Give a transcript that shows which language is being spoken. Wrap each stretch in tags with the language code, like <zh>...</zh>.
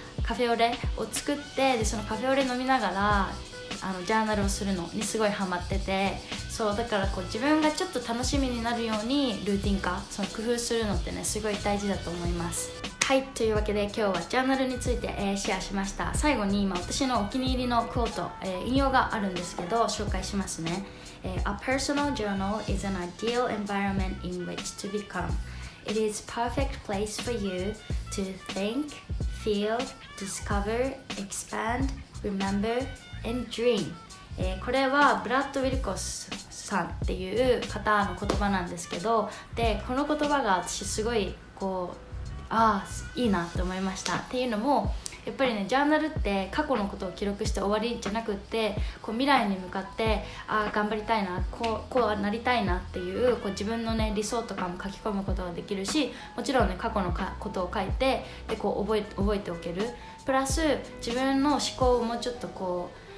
<ja>カフェオレを作って、でそのカフェオレ飲みながらあのジャーナルをするのにすごいハマってて、そうだからこう自分がちょっと楽しみになるようにルーティン化その工夫するのってねすごい大事だと思います。はい、というわけで今日はジャーナルについて、シェアしました。最後に今私のお気に入りのクォート、引用があるんですけど紹介しますね。</ja> <en>A personal journal is an ideal environment in which to become. It is a perfect place for you to think, feel, discover, expand, rememberAnd dream.</en> <ja>これはブラッド・ウィルコスさんっていう方の言葉なんですけど、でこの言葉が私すごいこうああいいなって思いました。っていうのもやっぱりねジャーナルって過去のことを記録して終わりじゃなくって、こう未来に向かってああ頑張りたいな、こうはなりたいなってい こう自分のね理想とかも書き込むことができるし、もちろんね過去のことを書いてでこう覚えておける、プラス自分の思考をもうちょっとこ</ja>